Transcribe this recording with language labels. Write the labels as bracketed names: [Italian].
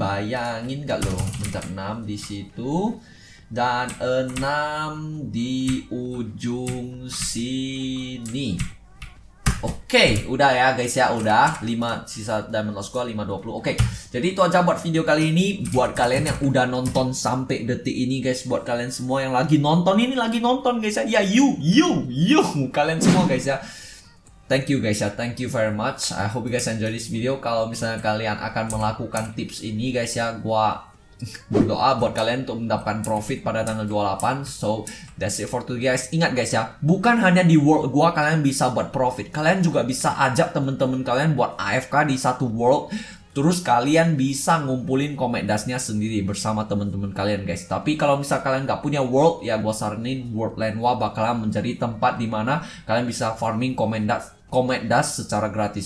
[Indonesian] Bayangin gak lo, bentar, 6 di situ dan 6 di ujung sini. Oke, udah ya guys ya, udah 5 sisa diamond loss gua 520. Oke. Jadi itu aja buat video kali ini. Buat kalian yang udah nonton sampai detik ini guys, buat kalian semua yang lagi nonton ini, lagi nonton guys ya. Ya you kalian semua guys ya. [English] Thank you guys ya, thank you very much. I hope you guys enjoy this video. [Indonesian] Kalau misalnya kalian akan melakukan tips ini guys ya, gua berdoa buat kalian untuk mendapatkan profit pada tanggal 28. [English] So that's it for today guys. [Indonesian] Ingat guys ya, bukan hanya di world gua kalian bisa buat profit, kalian juga bisa ajak temen-temen kalian buat AFK di satu world. Terus kalian bisa ngumpulin comet dustnya sendiri bersama temen-temen kalian guys. Tapi kalau misal kalian gak punya world, ya gua saranin world Lenwa bakalan menjadi tempat dimana kalian bisa farming comet dust secara gratis.